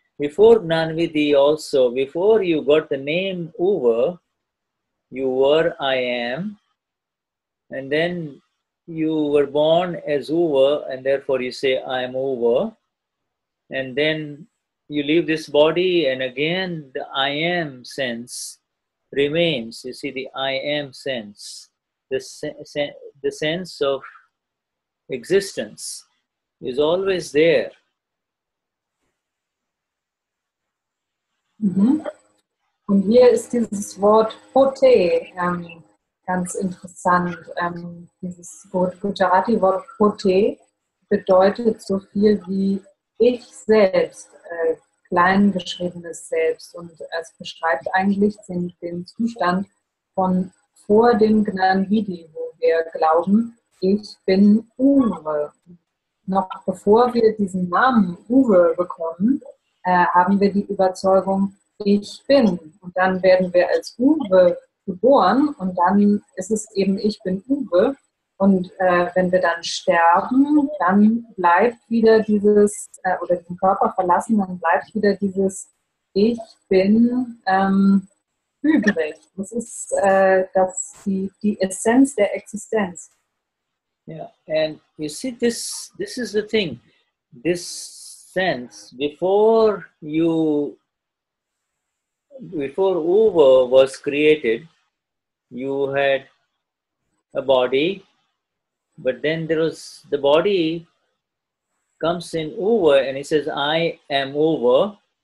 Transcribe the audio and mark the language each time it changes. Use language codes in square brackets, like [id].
[en] Before Gnanvidhi also, before you got the name over, you were I am, and then you were born as Uva, and therefore you say I am Uva, and then you leave this body, and again the I am sense remains. You see, the I am sense, the sense of existence is always there. Mm-hmm. [de] Und hier ist dieses Wort Pote ganz interessant. Dieses Gujarati-Wort Pote bedeutet so viel wie ich selbst, klein geschriebenes Selbst. Und es beschreibt eigentlich den Zustand von vor dem Gnanvidhi, wo wir glauben, ich bin Uwe. Noch bevor wir diesen Namen Uwe bekommen, haben wir die Überzeugung, ich bin. Und dann werden wir als Uwe geboren und dann ist es eben, ich bin Uwe. Und wenn wir dann sterben, dann bleibt wieder dieses, oder den Körper verlassen, dann bleibt wieder dieses ich bin übrig. Das ist die Essenz der Existenz. [en] Ja, and you see, this is the thing. This sense, before Uva was created, you had a body, but then the body comes in Uva and he says, I am Uva.